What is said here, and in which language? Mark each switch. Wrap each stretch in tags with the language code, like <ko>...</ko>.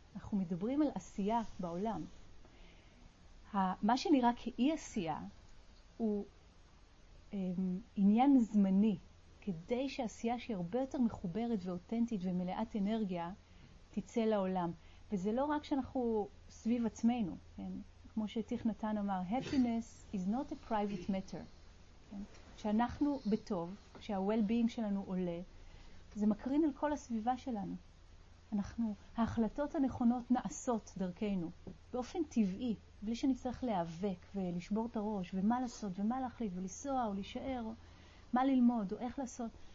<he>אנחנו מדברים על עשייה בעולם. מה שנראה כאי עשייה הוא עניין זמני. כדי שעשייה שהיא הרבה יותר מחוברת ואותנטית ומלאת אנרגיה תצא לעולם. וזה לא רק שאנחנו סביב עצמנו. כן? כמו שתיך נתן אמר,</he> <en>happiness is not a private matter.</en> <he>כן? שאנחנו בטוב, שה-well-being שלנו עולה, זה מקרין על כל הסביבה שלנו. אנחנו, ההחלטות הנכונות נעשות דרכנו, באופן טבעי, בלי שנצטרך להיאבק ולשבור את הראש, ומה לעשות, ומה להחליט, ולסוע או להישאר, מה ללמוד או איך לעשות.</he>